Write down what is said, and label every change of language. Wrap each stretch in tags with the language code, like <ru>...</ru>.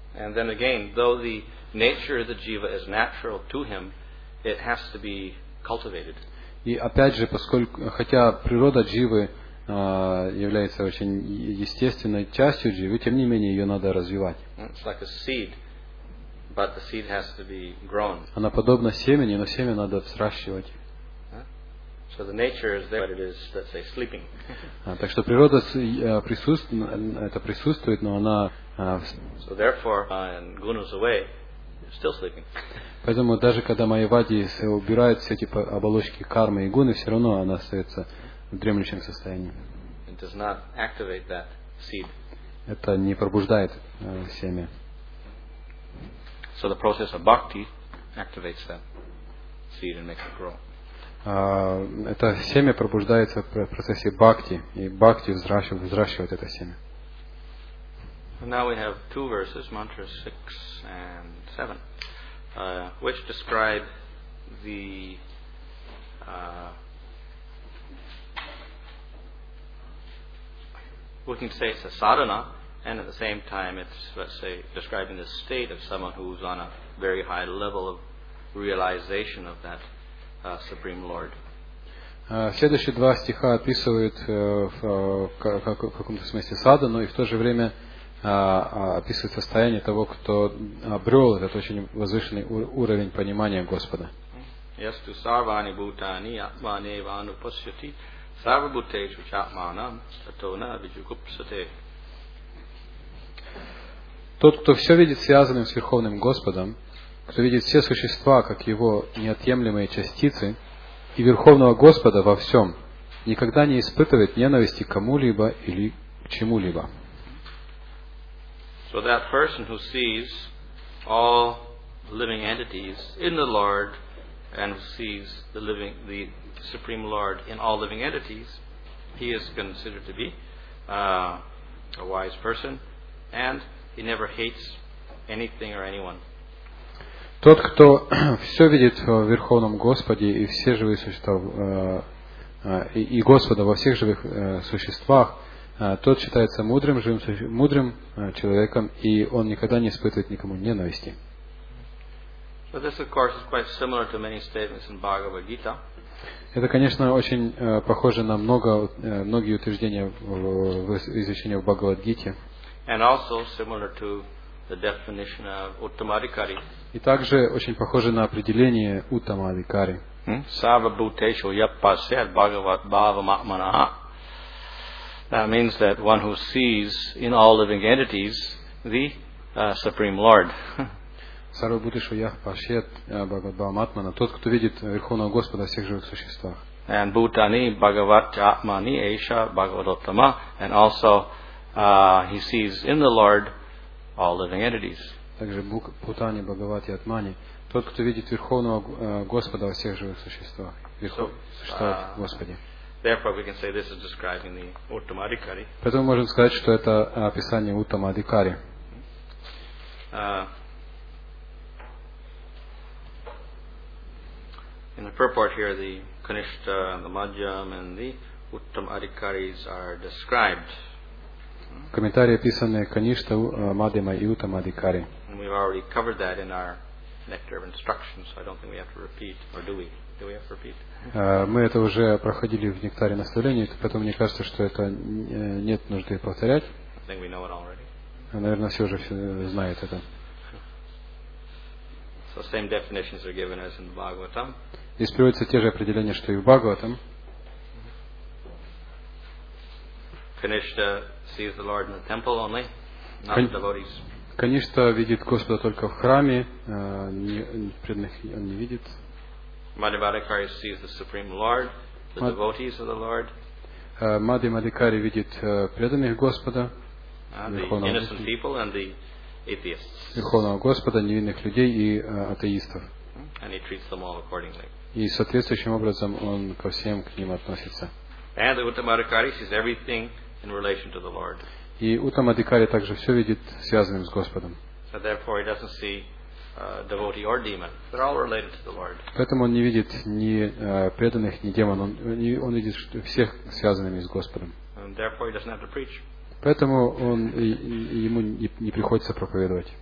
<en>And then again, though the nature of the jiva is natural to him, it has to be cultivated.</en> <ru>И опять же, поскольку хотя природа дживы является очень естественной частью дживы, тем не менее ее надо развивать.</ru> <en>It's like a seed, but the seed has to be grown.</en> <ru>Она подобна семени, но семя надо взращивать.</ru> <en>So the nature is there, but it is, let's say, sleeping.</en> <ru>Так что природа присутствует, это присутствует, но она.</ru> <en>So therefore, and Guna's away, still sleeping.</en> <ru>Поэтому даже когда Майявади убирает все эти оболочки кармы и гуны, все равно она остается в дремлющем состоянии.</ru> <en>It does not activate that seed.</en> <ru>Это не пробуждает семя.</ru> <en>So the process of bhakti activates that seed and makes it grow.</en> <ru>Это семя пробуждается в процессе бхакти, и бхакти взращивает это семя.</ru> <en>Now we have two verses, mantra 6 and 7, which describe the we can say it's a sadhana, and at the same time it's, let's say, describing the state of someone who's on a very high level of realization of that Supreme Lord.</en> <ru>Следующие два стиха описывают в каком-то смысле саду, но и в то же время описывают состояние того, кто обрел этот очень возвышенный уровень понимания Господа.</ru> <sa>Yes, to sarvani bhutani atmane vanu pasyati sarvabhute shuchatmanam satona vijugupsate.</sa> <ru>Тот, кто все видит связанным с Верховным Господом, кто видит все существа как Его неотъемлемые частицы и Верховного Господа во всем, никогда не испытывает ненависти к кому-либо или к чему-либо.</ru> <en>So that person who sees all living entities in the Lord and sees the Supreme Lord in all living entities, he is considered to be a wise person and he never hates anything or anyone.</en> <ru>Тот, кто все видит в Верховном Господе и все живые существа и Господа во всех живых существах, тот считается мудрым, живым, мудрым человеком, и он никогда не испытывает никому ненависти.</ru> <en>So this, of course, is quite similar to many statements in Bhagavad Gita.</en> <ru>Это, конечно, очень похоже на многие утверждения в изучении в Бхагавад-гите.</ru> <en>And also similar to the definition of Uttamadhikari.</en> <ru>И также очень похоже на определение Уттамадхикари.</ru> <sa>Сарвабхутешу яппасет бхагават бхавамахманаха.</sa> <en>That means that one who sees in all living entities the Supreme Lord.</en> <sa>Сарвабхутешу яппасет бхагават бхавамахманаха.</sa> <ru>Тот, кто видит Верховного Господа в всех живых существах.</ru> <sa>And бхутани бхагават чатмани эйша бхагаватоттама.</sa> <en>And also he sees in the Lord all living entities.</en> <ru>Также Бхутани, Бхагавати, Атмани. Тот, кто видит Верховного Господа во всех живых существах.</ru> <en>Therefore, we can say this is describing the Uttamadhikari.</en> <ru>Поэтому можем сказать, что это описание Уттамадхикари.</ru> <en>In the purport here, the Kanishtha, the Madhyam, and the Uttamadhikaris are described.</en> <ru>В комментарии описаны Каништа, Мадхима и Уттамадхикари.</ru> <en>We've already covered that in our nectar of instruction, so I don't think we have to repeat, or do we? Do we have to repeat?</en> <ru>Мы это уже проходили в нектаре наставления, поэтому мне кажется, что это нет нужды повторять.</ru> <en>I think we know it already.</en> <ru>Наверное, все уже знают это.</ru> <en>So same definitions are given as in the Bhagavatam.</en> <ru>Здесь приводятся те же определения, что и в Бхагаватам.</ru> <en>Kanishtha sees the Lord in the temple only, not the devotees.</en> <ru>Конечно, видит Господа только в храме, преданных он не видит.</ru> <en>Madhyamadhikari sees the Supreme Lord, the devotees of the Lord.</en> <ru>Madhyamadhikari видит преданных Господа,</ru> <en>the innocent people and the atheists.</en> <ru>Верховного Господа, невинных людей и атеистов.</ru> <en>And he treats them all accordingly.</en> <ru>И соответствующим образом он ко всем к ним относится.</ru> <en>And the Uttamadhikari sees everything in relation to the Lord.</en> <ru>И Уттамадхикари также все видит связанным с Господом.</ru> <en>So therefore he doesn't see devotee or demon. They're all related to the Lord.</en> <ru>Поэтому он не видит ни преданных, ни демонов. Он видит всех связанными с Господом.</ru> <en>And therefore he doesn't have to preach.</en> <ru>Поэтому он ему не приходится проповедовать.</ru>